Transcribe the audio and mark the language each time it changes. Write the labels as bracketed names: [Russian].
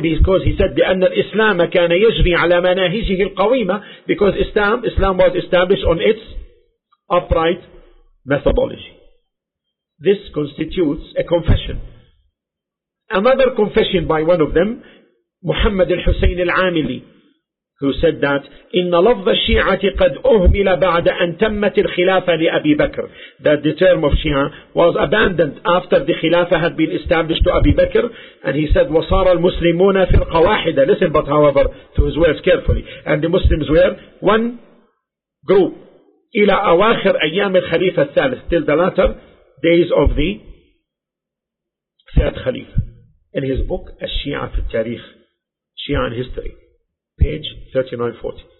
[English] Because he said, [Arabic] لأن الإسلام كان يجري على مناهجه القويمة, [English] because Islam was established on its upright methodology. This constitutes a confession. Another confession by one of them محمد الحسين العاملي who said that [Arabic] إن لفظ الشيعة قد أهمل بعد أن تمت الخلافة لأبي بكر, [English] that the term of Shia was abandoned after the خلافة had been established to أبي بكر, and he said [Arabic] وصار المسلمون فرقة واحدة. [English] Listen but however to his words carefully, and the Muslims were one group [Arabic] إلى أواخر أيام الخليفة الثالث, [English] till the latter days of the third خليفة. In his book [Arabic] الشيعة في التاريخ, [English] Shia in History, page 39-40.